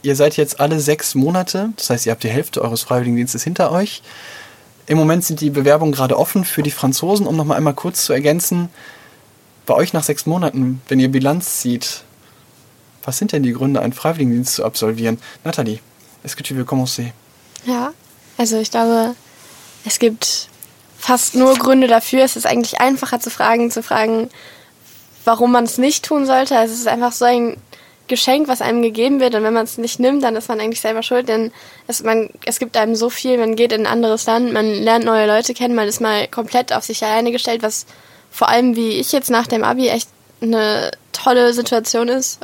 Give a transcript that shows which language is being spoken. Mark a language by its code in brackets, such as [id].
[de] Ihr seid jetzt alle 6 Monate, das heißt, ihr habt die Hälfte eures Freiwilligendienstes hinter euch. Im Moment sind die Bewerbungen gerade offen für die Franzosen. Um nochmal einmal kurz zu ergänzen, bei euch nach 6 Monaten, wenn ihr Bilanz zieht, was sind denn die Gründe, einen Freiwilligendienst zu absolvieren? [fr] Nathalie, est-ce que tu veux commencer? [de] Ja, also ich glaube, es gibt fast nur Gründe dafür. Es ist eigentlich einfacher zu fragen, warum man es nicht tun sollte. Also es ist einfach so ein Geschenk, was einem gegeben wird. Und wenn man es nicht nimmt, dann ist man eigentlich selber schuld. Denn es gibt einem so viel. Man geht in ein anderes Land, man lernt neue Leute kennen, man ist mal komplett auf sich alleine gestellt, was vor allem wie ich jetzt nach dem Abi echt eine tolle Situation ist.